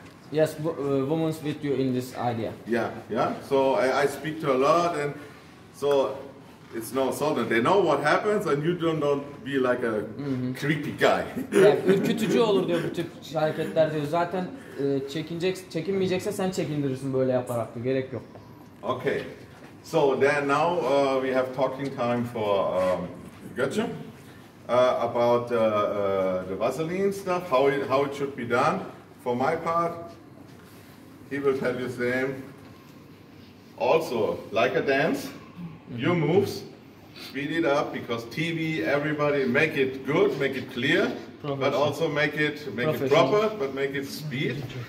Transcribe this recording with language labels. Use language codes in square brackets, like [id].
[en] Yes, women's with you in this idea. Yeah, yeah. So I speak to a lot, and so it's no sudden. They know what happens, and you don't be like a creepy guy. [tr] Yani ürkütücü olur diyor bu tip hareketler diyor. Zaten çekinmeyecekse sen çekindirirsin böyle yaparak. Gerek yok. [en] Okay. So then now we have talking time for Götze about the Vaseline stuff. How it should be done. For my part, he will tell you same. Also, like a dance, your moves, speed it up because TV, everybody, make it good, make it clear, but also make it proper, but make it speed.